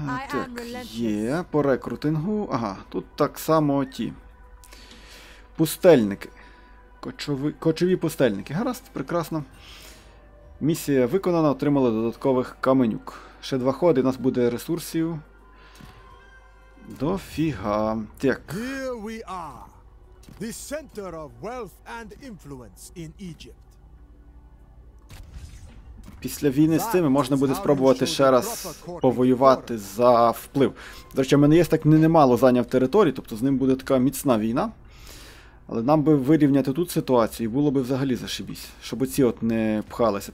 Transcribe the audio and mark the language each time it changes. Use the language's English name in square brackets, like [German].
[Ukrainian] Так, є, по рекрутингу. Ага, тут так само ті. Пустельники. Кочові пустельники. Гаразд, прекрасно. Місія виконана, отримали додаткових каменюк. Ще два ходи, у нас буде ресурсів. Дофіга. Так. [English] Here we are. The center of wealth and influence in Egypt. [Ukrainian] Після війни з цими можна буде спробувати ще раз повоювати за вплив. До речі, в мене є так немало зайняв територій, тобто з ним буде така міцна війна. Але нам би вирівняти тут ситуацію, і було би взагалі зашибісь, щоб оці от не пхалися.